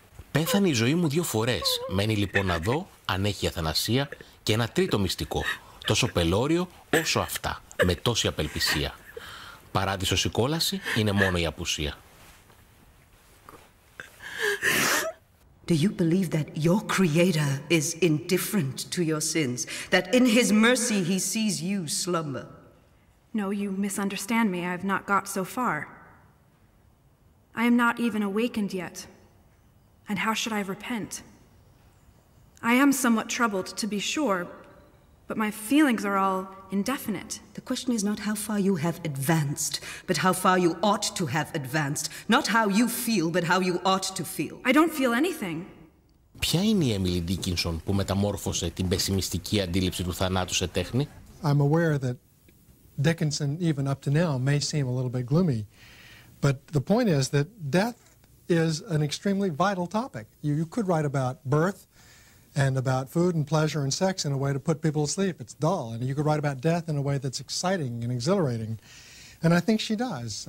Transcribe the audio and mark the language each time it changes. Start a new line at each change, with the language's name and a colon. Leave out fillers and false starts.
Greek: Πέθανε η ζωή μου δύο φορές. Μένει λοιπόν να δω αν έχει αθανασία και ένα τρίτο μυστικό, τόσο πελώριο όσο αυτά, με τόση απελπισία. Παράδεισος η κόλαση είναι μόνο η απουσία.
English: Do you believe that your creator is indifferent to your sins? That in his mercy he sees you slumber? No, you misunderstand me. I have not got so far. I am not even awakened yet. And how should I repent? I am somewhat troubled, to be sure, but my feelings are all indefinite. The question is not how far you have advanced, but how far you ought to have advanced. Not how you feel, but how you ought to feel. I don't feel anything.
Greek: Ποια είναι η Έμιλι Ντίκινσον που μεταμόρφωσε την πεσιμιστική αντίληψη του θανάτου σε τέχνη?
English: I'm aware that Dickinson, even up to now, may seem a little bit gloomy. But the point is that death is an extremely vital topic. You could write about birth, and about food and pleasure and sex in a way to put people to sleep. It's dull. And you could write about death in a way that's exciting and exhilarating. And I think she does.